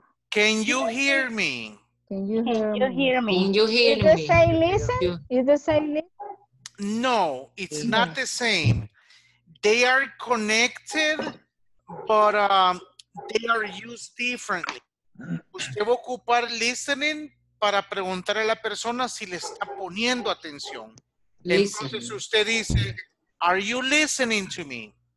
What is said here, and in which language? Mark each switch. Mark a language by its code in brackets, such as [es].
[en] Can you hear me? Is the same listen? No, it's not the same. They are connected, but they are used differently. [es] usted va a ocupar listening para preguntarle a la persona si le está poniendo atención. [en] Listening. [es] Entonces usted dice, [en] are you listening to me?